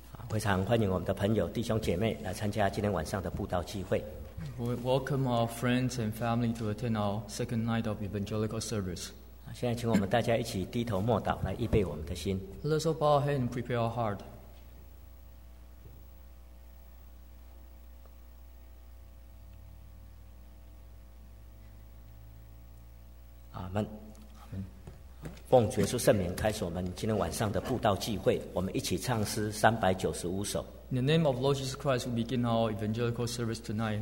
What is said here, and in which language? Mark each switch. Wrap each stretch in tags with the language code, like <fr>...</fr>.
<zh>非常欢迎我们的朋友、弟兄姐妹来参加今天晚上的布道聚会。</zh> <en>We welcome our friends and family to attend our second night of evangelical service.</en> <zh>现在请我们大家一起低头默祷，来预备我们的心。</zh> <en>Let's all bow our head and prepare our heart.</en> <zh>奉主耶稣圣名开始我们今天晚上的布道聚会，我们一起唱诗395首。</zh> <en>In the name of Lord Jesus Christ, we begin our evangelical service tonight.</en>